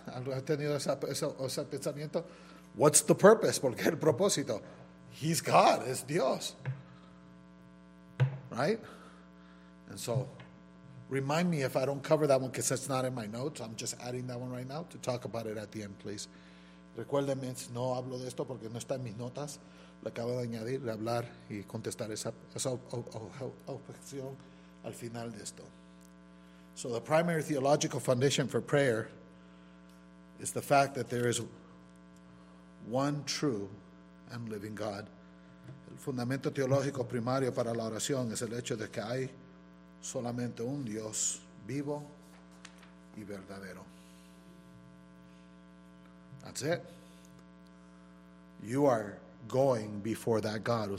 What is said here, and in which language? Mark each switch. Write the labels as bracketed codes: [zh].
[es] ¿Has tenido ese pensamiento? [en] What's the purpose? [es] ¿Por qué el propósito? [en] He's God. [es] Es Dios. Right? [en] And so, remind me if I don't cover that one because that's not in my notes. I'm just adding that one right now to talk about it at the end, please. [es] Recuérdeme, no hablo de esto porque no está en mis notas. Le acabo de añadir, de hablar y contestar esa objeción al final de esto. [en] So the primary theological foundation for prayer is the fact that there is one true and living God. [es] El fundamento teológico primario para la oración es el hecho de que hay solamente un Dios vivo y verdadero. [en] That's it. You are going before that God.